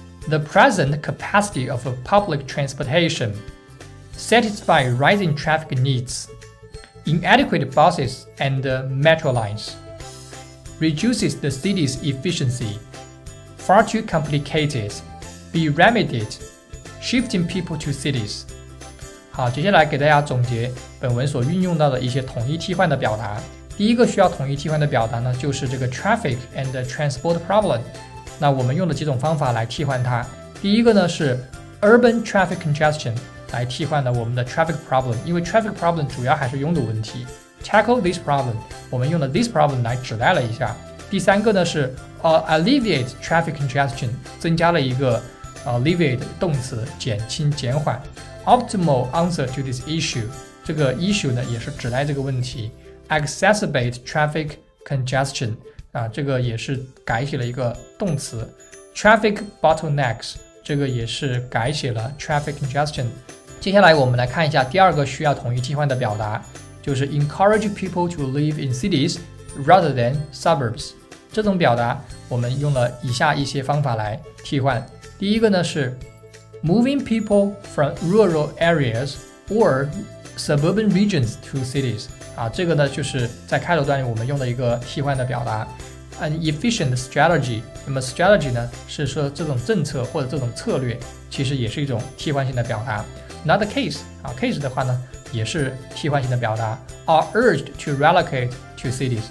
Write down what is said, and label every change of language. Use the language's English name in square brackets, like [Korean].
[English] The present capacity of public transportation, satisfy rising traffic needs. Inadequate buses and metro lines, reduces the city's efficiency. Far too complicated, be remedied, shifting people to cities. [Chinese] 好，接下来给大家总结本文所运用到的一些统一替换的表达。第一个需要统一替换的表达呢，就是这个 [English] traffic and transport problem。 [Chinese] 那我们用了几种方法来替换它。第一个呢是 [English] urban traffic congestion [Chinese] 来替换的我们的 [English] traffic problem， [Chinese] 因为 traffic problem 主要还是拥堵问题。 [English] Tackle this problem， [Chinese] 我们用了 this problem 来指代了一下。第三个呢是 [English] alleviate traffic congestion， [Chinese] 增加了一个alleviate 动词，减轻、减缓。 [English] Optimal answer to this issue， [Chinese] 这个 issue 呢也是指代这个问题。 [English] Exacerbate traffic congestion， [Chinese] 啊，这个也是改写了一个动词。 [English] Traffic bottlenecks， [Chinese] 这个也是改写了 [English] traffic congestion。 [Chinese] 接下来我们来看一下第二个需要统一替换的表达，就是 [English] encourage people to live in cities rather than suburbs。 [Chinese] 这种表达我们用了以下一些方法来替换。第一个呢是。 [English] Moving people from rural areas or suburban regions to cities. [Chinese] 啊，这个呢就是在开头段里我们用的一个替换的表达。 [English] An efficient strategy. [Chinese] 那么 strategy 呢是说这种政策或者这种策略，其实也是一种替换性的表达。 [English] Not the case. [Chinese] 啊 ，case 的话呢也是替换性的表达。 [English] Are urged to relocate to cities.